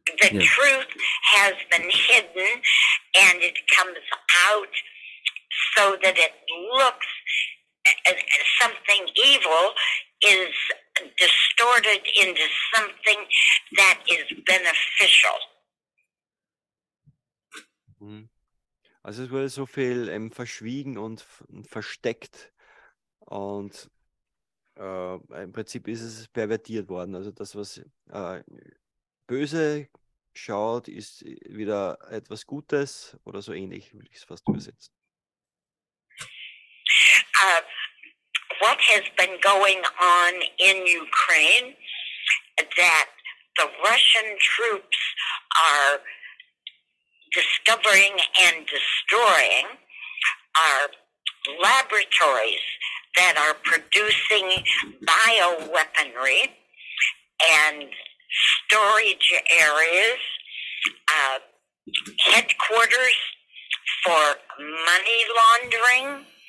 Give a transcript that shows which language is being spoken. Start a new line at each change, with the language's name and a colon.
English: The truth has been hidden, and it comes out so that it looks something evil is distorted into something that is beneficial.
German: Also es wurde so viel verschwiegen und versteckt und im Prinzip ist es pervertiert worden. Also das, was böse schaut, ist wieder etwas Gutes oder so ähnlich, will ich es fast übersetzen.
English: What has been going on in Ukraine, that the Russian troops are discovering and destroying, are laboratories that are producing bioweaponry and storage areas, headquarters for money laundering,